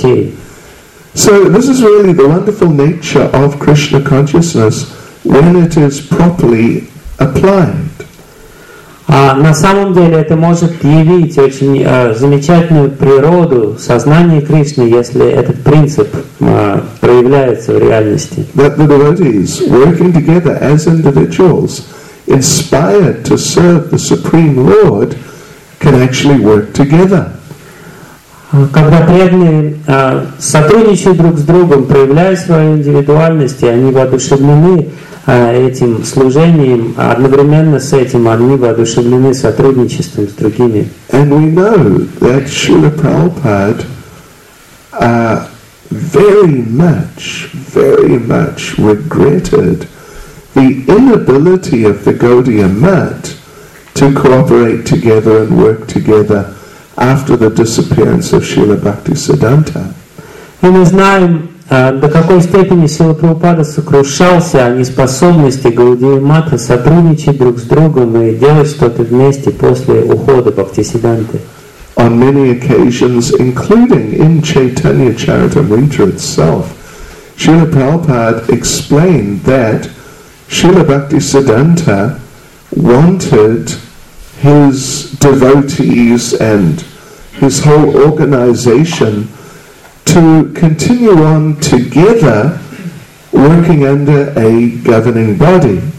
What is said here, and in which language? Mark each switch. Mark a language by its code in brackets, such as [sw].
[en] So this is really the wonderful nature of Krishna consciousness when it is properly applied. [ru] На самом деле это может явить очень замечательную природу сознания Кришны, если этот принцип проявляется в реальности. [en] That the devotees working together as individuals inspired to serve the Supreme Lord can actually work together. [ru] Когда преданные сотрудничают друг с другом, проявляя свои индивидуальности, они воодушевлены этим служением, одновременно с этим они воодушевлены сотрудничеством с другими. [en] And we know that Srila Prabhupada very much regretted the inability of the Gaudiya Math to cooperate together and work together after the disappearance of Srila Bhaktisiddhanta. [ru] И мы знаем, до какой степени Srila Prabhupada сокрушался о неспособности Gaudiya Matha сотрудничать друг с другом и делать что-то вместе после ухода Бхактисиддханты. [en] On many occasions, including in Chaitanya Charitamrita itself, Srila Prabhupada explained that Srila Bhaktisiddhanta wanted his devotees and his whole organization to continue on together working under a governing body.